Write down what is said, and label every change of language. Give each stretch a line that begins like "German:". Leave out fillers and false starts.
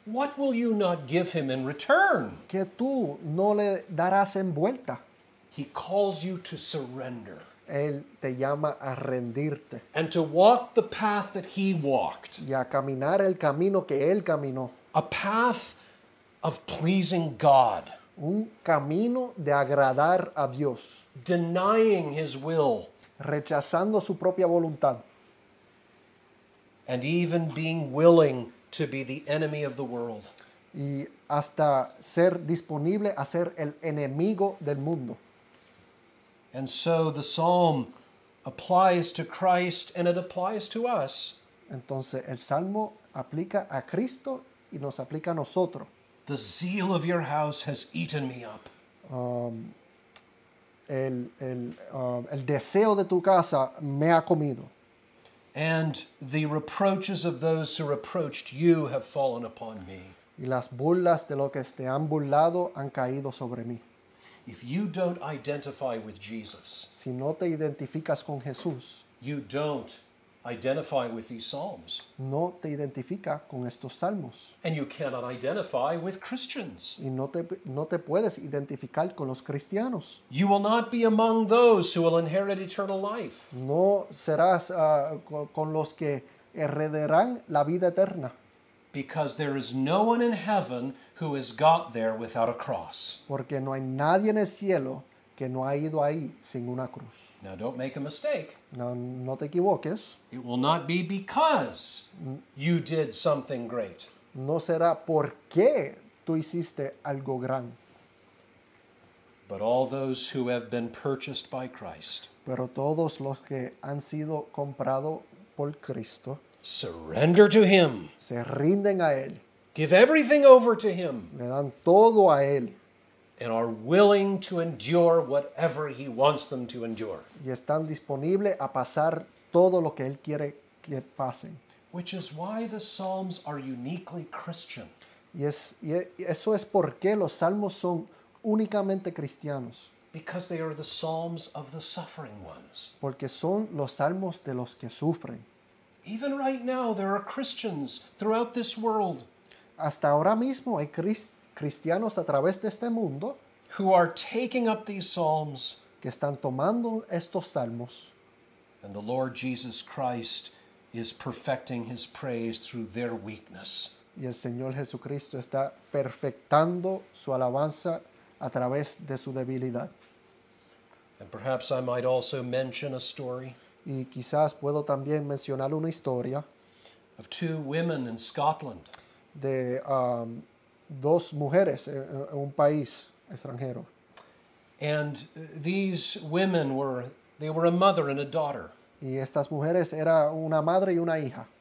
English: What will you not give him in return?
Spanish: ¿Qué tú no le darás en vuelta?
English: He calls you to surrender.
Spanish: Él te llama a rendirte.
English: And to walk the path that he walked.
Spanish: Y a caminar el camino que él caminó.
English: A path of pleasing God.
Spanish: Un camino de agradar a Dios.
English: Denying his will.
Spanish: Rechazando su propia voluntad.
English: And even being willing to be the enemy of the world.
Spanish: Y hasta ser disponible a ser el enemigo del mundo.
English: And so the psalm applies to Christ and it applies to us.
Spanish: Entonces el salmo aplica a Cristo y nos aplica a nosotros.
English: The zeal of your house has eaten me up.
Spanish: El deseo de tu casa me ha comido.
English: And the reproaches of those who reproached you have fallen upon me.
Spanish: Y las burlas de los que te han burlado han caído sobre mí.
English: If you don't identify with Jesus,
Spanish: si no te identificas con Jesús,
English: you don't identify with these psalms.
Spanish: No te identifica con estos salmos.
English: And you cannot identify with Christians.
Spanish: Y no te puedes identificar con los cristianos.
English: You will not be among those who will inherit eternal life.
Spanish: No serás con los que heredarán la vida eterna.
English: Because there is no one in heaven who has got there without a cross.
Spanish: Porque no hay nadie en el cielo que no ha ido ahí sin una cruz.
English: Now don't make a mistake.
Spanish: No te equivoques.
English: It will not be because you did something great.
Spanish: No será porque tú hiciste algo gran.
English: But all those who have been purchased by Christ.
Spanish: Pero todos los que han sido comprado por Cristo.
English: Surrender to him.
Spanish: Se rinden a él.
English: Give everything over to him.
Spanish: Le dan todo a él.
English: And are willing to endure whatever he wants them to endure.
Spanish: Y están disponibles a pasar todo lo que él quiere que pasen.
English: Which is why the Psalms are uniquely Christian.
Spanish: Y eso es por qué los salmos son únicamente cristianos.
English: Because they are the psalms of the suffering ones.
Spanish: Porque son los salmos de los que sufren.
English: Even right now, there are Christians throughout this world.
Spanish: Hasta ahora mismo hay cristianos a través de este mundo.
English: Who are taking up these psalms.
Spanish: Que están tomando estos salmos.
English: And the Lord Jesus Christ is perfecting his praise through their weakness.
Spanish: Y el Señor Jesucristo está perfectando su alabanza a través de su debilidad.
English: And perhaps I might also mention a story.
Spanish: Y quizás puedo también mencionar una historia.
English: Of two women in Scotland.
Spanish: De dos mujeres en un país extranjero.
English: And these women were a mother and a daughter.
Spanish: Y estas mujeres era una madre y una hija.